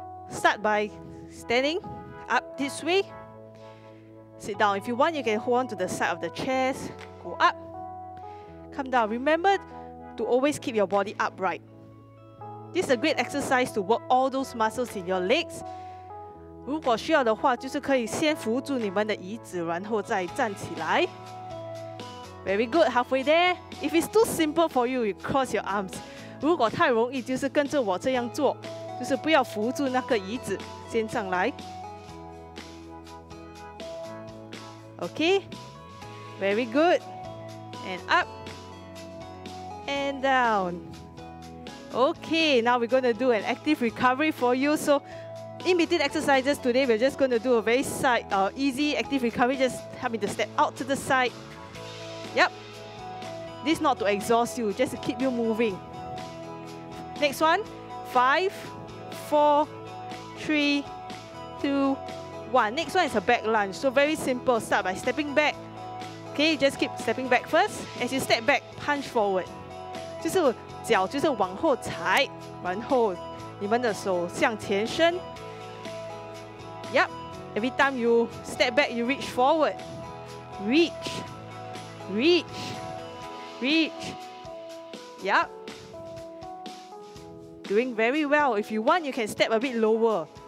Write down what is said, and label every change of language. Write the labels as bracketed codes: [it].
[en] Start by standing up this way. Sit down. If you want, you can hold on to the side of the chest. Go up. Come down. Remember to always keep your body upright. This is a great exercise to work all those muscles in your legs. [zh] 如果需要的话，就是可以先扶住你们的椅子，然后再站起来。 [en] Very good, halfway there. If it's too simple for you, you cross your arms. [zh] 如果太容易，就是跟着我这样做, 就是不要扶住那个椅子, 先上来。 [en] Okay, very good. And up, and down. Okay, now we're going to do an active recovery for you. So in between exercises today, we're just going to do a very easy active recovery. Just help me to step out to the side. Yep, this not to exhaust you, just to keep you moving. Next one, 5, 4, 3, 2, 1. Next one is a back lunge, so very simple. Start by stepping back. Okay, just keep stepping back first. As you step back, punch forward. [zh] 就是脚就是往后踩, 然后你们的手向前伸. [en] Yep, every time you step back, you reach forward. Reach. Reach, reach, yep. Doing very well. If you want, you can step a bit lower.